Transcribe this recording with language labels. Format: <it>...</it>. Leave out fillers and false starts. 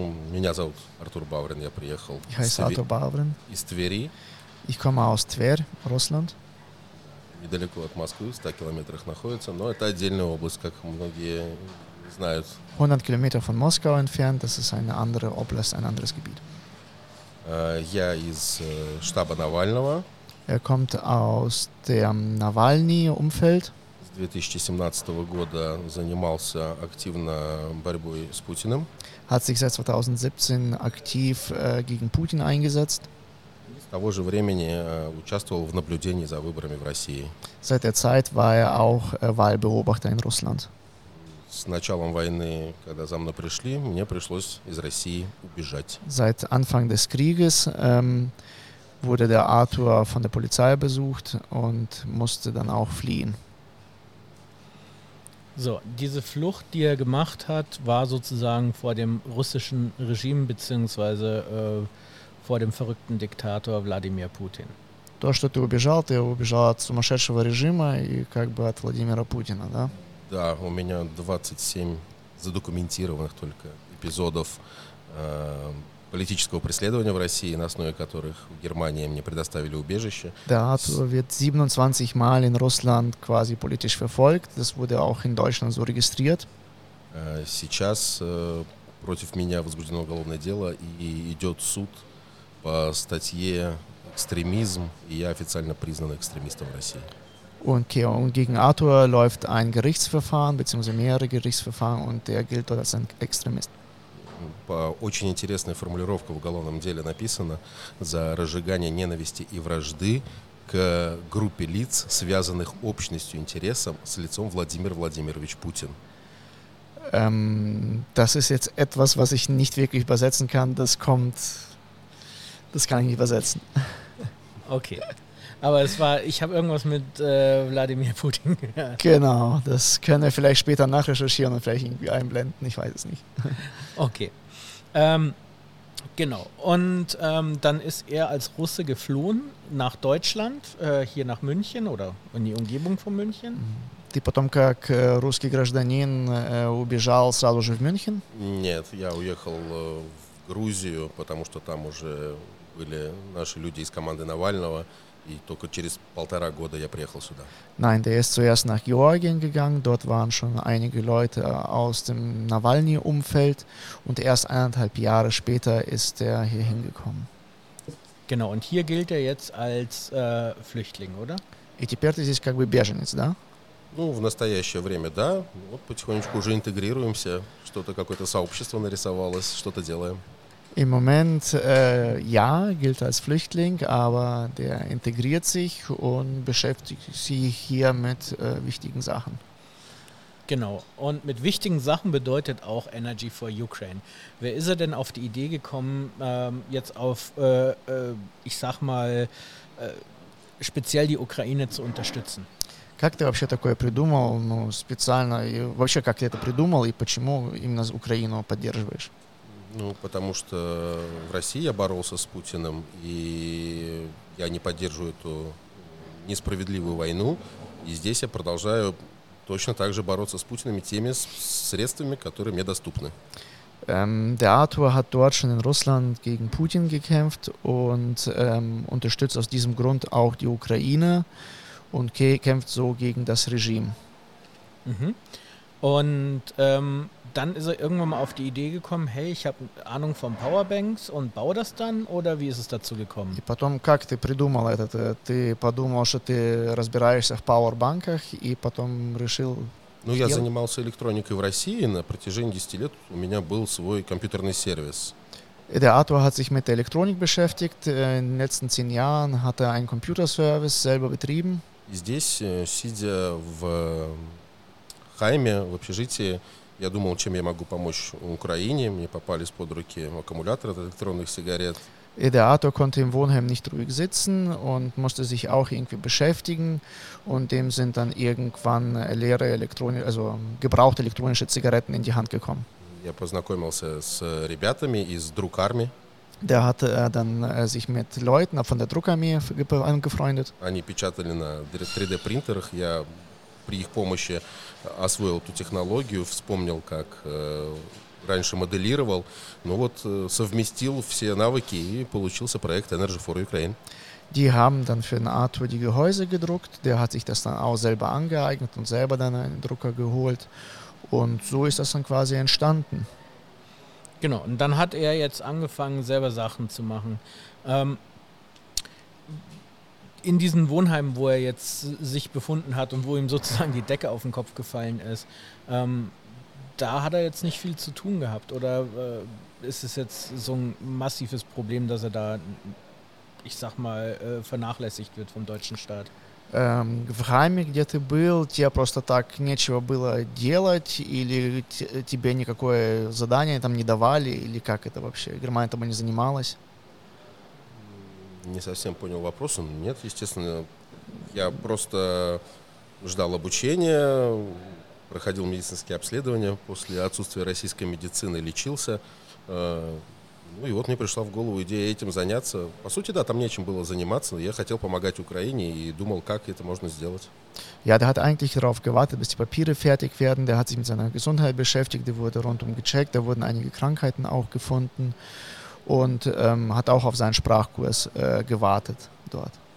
<ru>Меня зовут Артур Баврин, я приехал из Твери.</ru> <de>Ich komme aus Twer, Russland.</de> <ru>Недалеко от Москвы, 100 километрах находится, но это отдельная область, как многие знают. 100 километров от Москвы</ru> <de>entfernt, das ist eine andere Oblast, ein anderes Gebiet.</de> <ru>Я из штаба Навального.</ru> <de>Er kommt aus dem Navalny-Umfeld.</de> <ru>2017 года занимался активно борьбой с Путиным.</ru> <de>Hat sich seit 2017 aktiv gegen Putin eingesetzt.</de> <ru>С того же времени участвовал в наблюдении за выборами в России.</ru> <de>Seit der Zeit war er auch Wahlbeobachter in Russland.</de> <ru>С началом войны, когда за мной пришли, мне пришлось из России убежать.</ru> <de>Seit Anfang des Krieges wurde der Arthur von der Polizei besucht und musste dann auch fliehen. So, diese Flucht, die er gemacht hat, war sozusagen vor dem russischen Regime beziehungsweise vor dem verrückten Diktator Wladimir Putin.</de> <ru>То, что ты убежал от сумасшедшего режима и как бы от Владимира Путина, да? Да, у меня 27 задокументированных только эпизодов политического преследования в России, на основе которых в Германии мне предоставили убежище.</ru> <de>Да, wird 27 Mal in Russland quasi politisch verfolgt. Das wurde auch in Deutschland so registriert.</de> <ru>Сейчас против меня возбуждено уголовное дело и идет суд по статье «Экстремизм», и я официально признан экстремистом в России.</ru> <de>Okay, und gegen Arthur läuft ein Gerichtsverfahren, beziehungsweise mehrere Gerichtsverfahren, und er gilt dort als ein Extremist.</de> <ru>По очень интересной формулировке в уголовном деле написано за разжигание ненависти и вражды к группе лиц, связанных общностью интересом с лицом Владимир Владимирович Путин.</ru> <de>Das ist jetzt etwas, was ich nicht wirklich übersetzen kann. Das kommt. Das kann ich nicht übersetzen. Okay. Aber es war, ich habe irgendwas mit Wladimir Putin gehört. Genau, das können wir vielleicht später nachrecherchieren und vielleicht irgendwie einblenden, ich weiß es nicht. Okay, genau. Und dann ist er als Russe geflohen nach Deutschland, hier nach München oder in die Umgebung von München.</de> <ru>Ты потом как русский гражданин убежал сразу же в München? Нет, я уехал в Грузию, потому что там уже были наши люди из команды Навального. И только через полтора года я приехал сюда.</ru> <de>Nein, der ist zuerst nach Georgien gegangen. Dort waren schon einige Leute aus dem Nawalny-Umfeld. Und erst eineinhalb Jahre später ist er hier hingekommen. Genau, und hier gilt er jetzt als Flüchtling, oder?</de> <ru>И теперь ты здесь как бы беженец, да? Ну, в настоящее время, да. Вот потихонечку уже интегрируемся. Что-то, какое-то сообщество нарисовалось, что-то делаем.</ru> <de>Im Moment ja, gilt als Flüchtling, aber der integriert sich und beschäftigt sich hier mit wichtigen Sachen. Genau, und mit wichtigen Sachen bedeutet auch Energy for Ukraine. Wer ist er denn auf die Idee gekommen, jetzt auf, ich sag mal, speziell die Ukraine zu unterstützen?</de> <ru>Как ты вообще такое придумал, ну, специально, и вообще как ты это придумал и почему именно Украину поддерживаешь? Ну, потому что в России я боролся с Путиным, и я не поддерживаю эту несправедливую войну. И здесь я продолжаю точно так же бороться с Путиным теми средствами, которые мне доступны.</ru> <de>Der Arthur hat dort schon in Russland gegen Putin gekämpft und unterstützt aus diesem Grund auch die Ukraine und kämpft so gegen das Regime. Mhm. Und dann ist er irgendwann mal auf die Idee gekommen, hey, ich habe Ahnung von Powerbanks und baue das dann, oder wie ist es dazu gekommen?</de> <ru>Und потом, как ты придумал это? Ты подумал, что ты разбираешься в Powerbanks и потом решил... Ну, я занимался электроникой в России, на протяжении 10 лет у меня был свой компьютерный сервис.</ru> <de>Der Arthur hat sich mit der Elektronik beschäftigt, in den letzten 10 Jahren hat er einen Computerservice selber betrieben.</de> <ru>И здесь, сидя в... В Хайме, в общежитии, я думал, чем я могу помочь Украине. Мне попались под руки аккумуляторы от электронных сигарет.</ru> <de>И der Arthur konnte im Wohnheim nicht ruhig sitzen und musste sich auch irgendwie beschäftigen. Und dem sind dann irgendwann leere elektronische, also gebrauchte электронische Zigaretten in die Hand gekommen.</de> <ru>Я познакомился с ребятами из Друкармии.</ru> <de>Der hat dann sich mit Leuten von der Druckarmee angefreundet.</de> <ru>Они печатали на 3D-принтерах, я... при их помощи освоил эту технологию, вспомнил, как раньше моделировал, ну вот совместил все навыки и получился проект Energy for Ukraine.</ru> <de>Die haben dann für den Arthur die Gehäuse gedruckt, der hat sich das dann auch selber angeeignet und selber dann einen Drucker geholt und so ist das dann quasi entstanden. Genau, und dann hat er jetzt angefangen, selber Sachen zu machen. In diesen Wohnheimen, wo er jetzt sich befunden hat und wo ihm sozusagen die Decke auf den Kopf gefallen ist, da hat er jetzt nicht viel zu tun gehabt. Oder ist es jetzt so ein massives Problem, dass er da, ich sag mal, vernachlässigt wird vom deutschen Staat?</de> <ru>В Хайме, где ты был, тебе просто так нечего было делать, или тебе никакое задание там не давали, или как это вообще? Германия там не занималась? Не совсем понял вопрос. Нет, естественно, я просто ждал обучения, проходил медицинские обследования после отсутствия российской медицины, лечился. Ну и вот мне пришла в голову идея этим заняться. По сути, да, там нечем было заниматься. Я хотел помогать Украине и думал, как это можно сделать.</ru> <de>Ja, der hat eigentlich darauf gewartet, bis die Papiere fertig werden. Der hat sich mit seiner Gesundheit beschäftigt, die wurde rundum gecheckt, da wurden einige Krankheiten auch gefunden. Und hat auch auf seinen Sprachkurs gewartet dort.</de>